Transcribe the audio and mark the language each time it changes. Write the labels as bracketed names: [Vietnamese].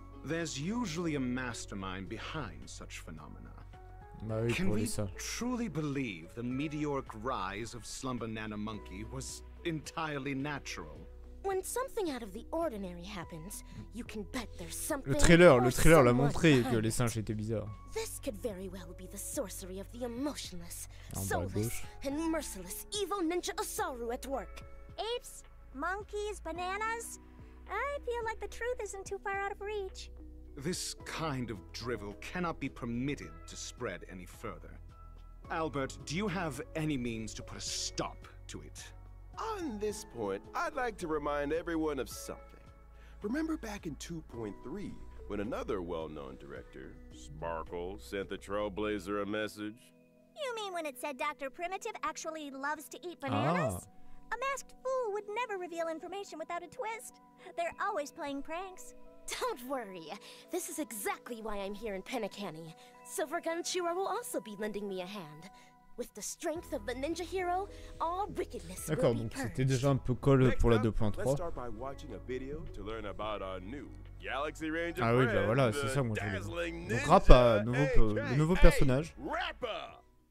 [English] There's usually a mastermind behind such phenomena. Marie can we ça. Truly believe the meteoric rise of Slumber Nana Monkey was entirely natural? When something out of the ordinary happens, you can bet there's something. [French] Le trailer l'a montré que les singes étaient bizarres. [English] This could very well be the sorcery of the emotionless, soulless, and merciless evil ninja Osaru at work. Apes, monkeys, bananas. I feel like the truth isn't too far out of reach. This kind of drivel cannot be permitted to spread any further. Albert, do you have any means to put a stop to it? On this point, I'd like to remind everyone of something. Remember back in 2.3, when another well-known director, Sparkle, sent the Trailblazer a message? You mean when it said Dr. Primitive actually loves to eat bananas? A masked fool would never reveal information without a twist. They're always playing pranks. Don't worry. This is exactly why I'm here in Penacony. Silver Gun Chira will also be lending me a hand. With the strength of the ninja hero, all wickedness will be purged. [French] D'accord, donc c'était déjà un peu cool pour la 2.3. [English] Let's start by watching a video to learn about our new Galaxy Ranger. [French] Ah oui, bah voilà, c'est ça moi je veux dire. Donc Rappa, le nouveau personnage. Rappa.